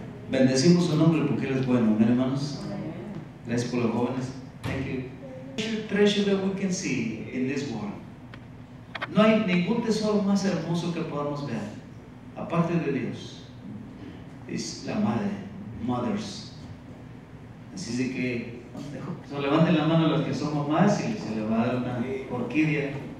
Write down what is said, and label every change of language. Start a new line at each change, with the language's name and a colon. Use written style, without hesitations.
Spanish: Bendecimos su nombre porque él es bueno, ¿no, hermanos? Gracias por los jóvenes.
English: Thank you. Treasure that we can see in this world.
Spanish: No hay ningún tesoro más hermoso que podamos ver, aparte de Dios. Es la madre, mothers. Así es de que, so levanten la mano los que son mamás y se le va a dar una orquídea.